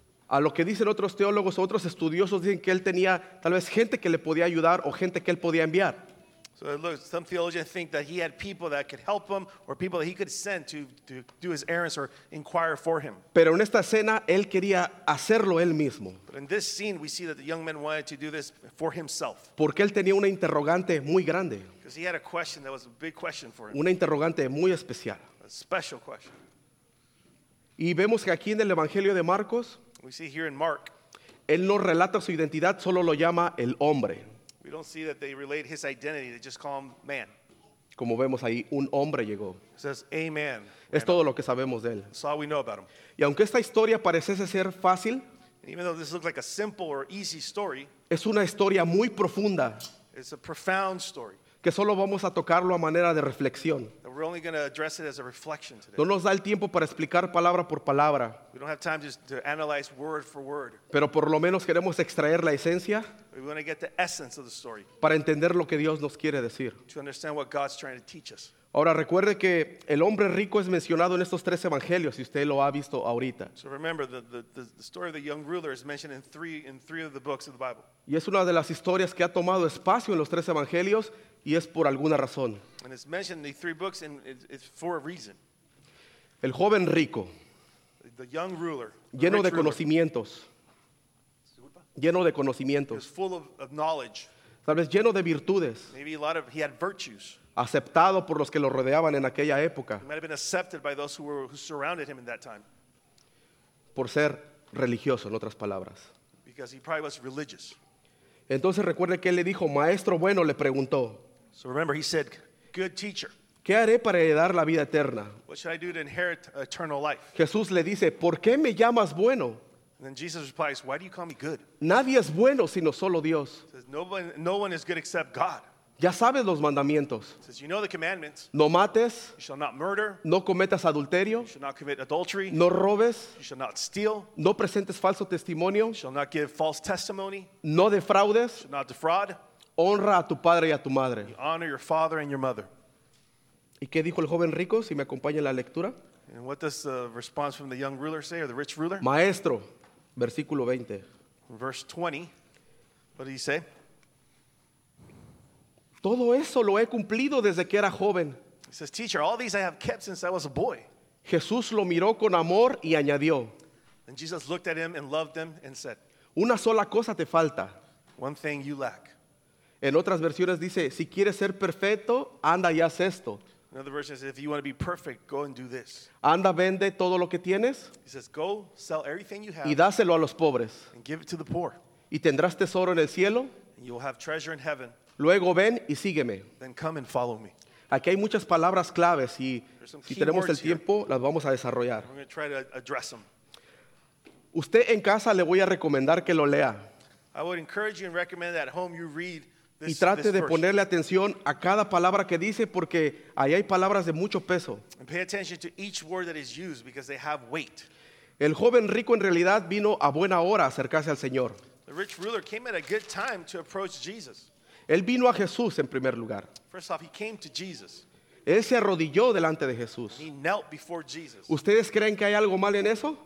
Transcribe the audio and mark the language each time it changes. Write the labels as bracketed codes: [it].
[es] A lo que dicen otros teólogos, otros estudiosos dicen que él tenía tal vez gente que le podía ayudar o gente que él podía enviar. [en] So So look, some theologians think that he had people that could help him or people that he could send to do his errands or inquire for him. [es] Pero en esta escena, él quería hacerlo él mismo. [en] But in this scene, we see that the young man wanted to do this for himself. [es] Porque él tenía una interrogante muy grande. [en] Because he had a question that was a big question for him. [es] Una interrogante muy especial. [en] A special question. [es] Y vemos que aquí en el Evangelio de Marcos, [en] we see here in Mark, [es] él no relata su identidad, solo lo llama el hombre. [en] We don't see that they relate his identity, they just call him man. [es] Como vemos ahí, un hombre llegó. [en] It says, amen. [es] Es todo lo que sabemos de él. [en] That's all we know about him. [es] Y aunque esta historia pareciese ser fácil, [en] even though this looks like a simple or easy story, [es] es una historia muy profunda. [en] It's a profound story. [es] Que solo vamos a tocarlo a manera de reflexión. [en] We're only going to address it as a reflection today. [es] No nos da el tiempo para explicar palabra por palabra. [en] We don't have time just to analyze word for word. [es] Pero por lo menos queremos extraer la esencia. [en] We want to get the essence of the story. [es] Para entender lo que Dios nos quiere decir. [en] To understand what God's trying to teach us. [es] Ahora recuerde que el hombre rico es mencionado en estos tres evangelios, si usted lo ha visto ahorita. [en] So remember, the story of the young ruler is mentioned in three of the books of the Bible. [es] Y es una de las historias que ha tomado espacio en los tres evangelios, y es por alguna razón. [en] And it's mentioned in the three books, and it's for a reason. [es] El joven rico, [en] the young ruler, [es] lleno de conocimientos, lleno de conocimientos, [en] he was full of knowledge, [es] tal vez lleno de virtudes, [en] maybe a lot of, he had virtues, [es] aceptado por los que lo rodeaban en aquella época. [en] He might have been accepted by those who surrounded him in that time. [es] Por ser religioso, en otras palabras. [en] Because he probably was religious. [es] Entonces recuerde que él le dijo, maestro bueno, le preguntó. [en] So remember, he said, good teacher. [es] ¿Qué haré para heredar la vida eterna? [en] What should I do to inherit eternal life? [es] Jesús le dice, ¿por qué me llamas bueno? [en] And then Jesus replies, why do you call me good? [es] Nadie es bueno sino solo Dios. [en] Says, no one is good except God. [es] Ya sabes los mandamientos. [en] Says, you know the commandments. [es] No mates. [en] You shall not murder. [es] No cometas adulterio. [en] You shall not commit adultery. [es] No robes. [en] You shall not steal. [es] No presentes falso testimonio. [en] You shall not give false testimony. [es] No defraudes. [en] You shall not defraud. [es] Honra a tu padre y a tu madre. [en] You honor your father and your mother. [es] ¿Y qué dijo el joven rico? Si me acompaña en la lectura. [en] And what does the response from the young ruler say, or the rich ruler? [es] Maestro, versículo 20. [en] Verse 20. What did he say? [es] Todo eso lo he cumplido desde que era joven. [en] He says, teacher, all these I have kept since I was a boy. [es] Jesús lo miró con amor y añadió. [en] And Jesus looked at him and loved him and said, [es] una sola cosa te falta. [en] One thing you lack. [es] En otras versiones dice, si quieres ser perfecto, anda y haz esto. [en] In other versions, if you want to be perfect, go and do this. [es] Anda, vende todo lo que tienes. [en] He says, go, sell everything you have. [es] Y dáselo a los pobres. [en] And give it to the poor. [es] Y tendrás tesoro en el cielo. [en] And you'll have treasure in heaven. [es] Luego ven y sígueme. [en] Then come and follow me. [es] Aquí hay muchas palabras claves y si tenemos el tiempo las vamos a desarrollar. [en] We're going to try to address them. [es] Usted en casa le voy a recomendar que lo lea. [en] I would encourage you and recommend that at home you read this. [es] Y trate [en] this [es] de ponerle atención a cada palabra que dice porque ahí hay palabras de mucho peso. [en] And pay attention to each word that is used because they have weight. [es] El joven rico en realidad vino a buena hora a acercarse al Señor. [en] The rich ruler came at a good time to approach Jesus. [es] Él vino a Jesús en primer lugar. [en] First off, he came to Jesus. [es] Él se arrodilló delante de Jesús. [en] He knelt before Jesus. [es] ¿Ustedes creen que hay algo mal en eso?